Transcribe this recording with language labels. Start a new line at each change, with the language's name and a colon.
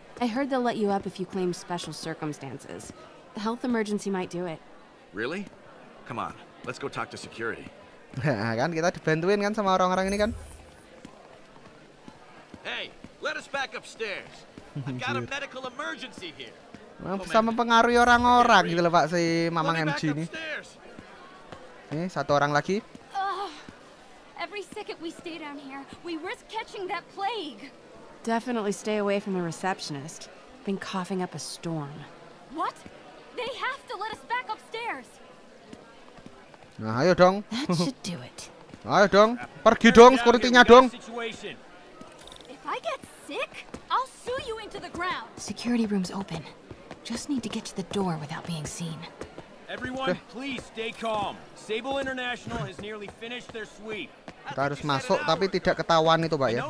English: I heard they'll let you up if you claim special circumstances. The health emergency might do it. Really? Come on. Let's go talk to security.
Indonesian: Nah, kan kita dibantuin kan sama orang-orang ini kan.
English: Hey, let us back upstairs. I've got a medical emergency here.
Indonesian: Sama pengaruhi orang-orang gitu loh, Pak, si Mamang MG ini. Nih, satu orang lagi.
English: Every second we stay down here, we risk catching that plague. Definitely stay away from the receptionist. Been coughing up a storm. What? They have to let us back upstairs.
Indonesian: Nah, ayo dong.
English: That should do it.
Indonesian: Ayo dong, pergi dong, security-nya dong.
English: If I get sick, I'll sue you into the ground. Security room's open. Just need to get to the door without being seen. Everyone, please stay calm. Sable International has nearly finished their sweep.
Indonesian: Kita harus masuk tapi tidak ketahuan itu, Pak ya.